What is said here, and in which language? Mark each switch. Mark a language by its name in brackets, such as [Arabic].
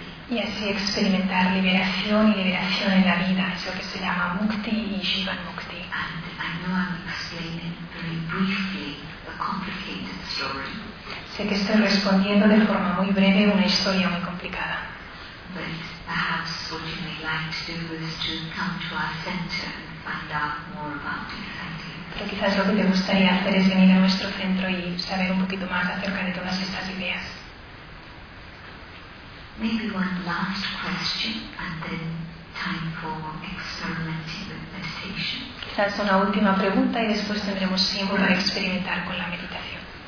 [Spanish] Y así experimentar liberación y liberación en la vida, es lo que se llama mukti y jivan mukti. [English] And I know I'm explaining very briefly a complicated story. [Spanish] Sé que estoy respondiendo de forma muy breve una historia muy complicada. [English] Perhaps what you may like to do is to come to our center and find out more about this idea. [Spanish] Pero quizás lo que te gustaría hacer es venir a nuestro centro y saber un poquito más acerca de todas estas ideas. [English] Maybe one last question and then time for experimenting with meditation. [Spanish] Quizás una última pregunta y después tendremos tiempo para experimentar con la meditación.